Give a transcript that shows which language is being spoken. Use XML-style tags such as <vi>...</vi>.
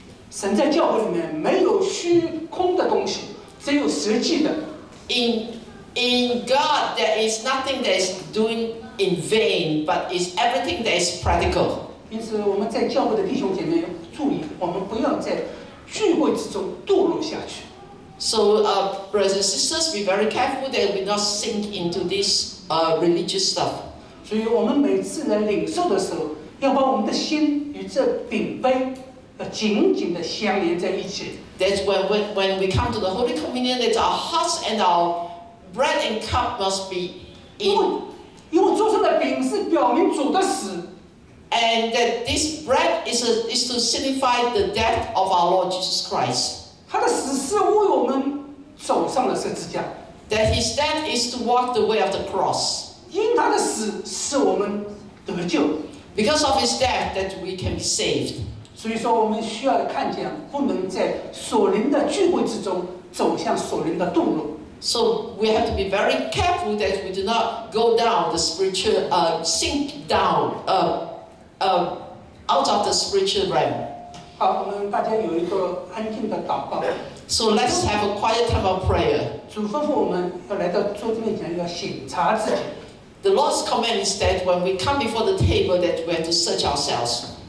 <zh>神在教会里面没有虚空的东西，只有实际的。</zh> <en>In God, there is nothing that is doing in vain, but it's everything that is practical.</en> <zh>因此，我们在教会的弟兄姐妹要注意，我们不要在聚会之中堕落下去。</zh> <en>So, brothers and sisters, be very careful that we not sink into this religious stuff.</en> <zh>所以我们每次来领受的时候，要把我们的心与这饼杯紧紧地相连在一起。</zh> <en>That's when we come to the Holy Communion, that our hearts and our bread and cup must be in.</en> <zh>因为桌上的饼是表明主的死。</zh> <en>And that this bread is to signify the death of our Lord Jesus Christ.</en> <zh>他的死是为我们走上了十字架。</zh> <en>That his death is to walk the way of the cross.</en> <zh>因他的死使我们得救。</zh> <en>Because of his death that we can be saved.</en> <zh>所以说我们需要看见，不能在属灵的聚会之中走向属灵的堕落。</zh> <en>So we have to be very careful that we do not go down the spiritual, sink down, out of the spiritual realm.</en> <zh>好，我们大家有一个安静的祷告。</zh> <en>So let's have a quiet time of prayer.</en> <zh>主吩咐我们要来到桌子面前，要省察自己。</zh> <en>The Lord's command is that when we come before the table, that we have to search ourselves.</en>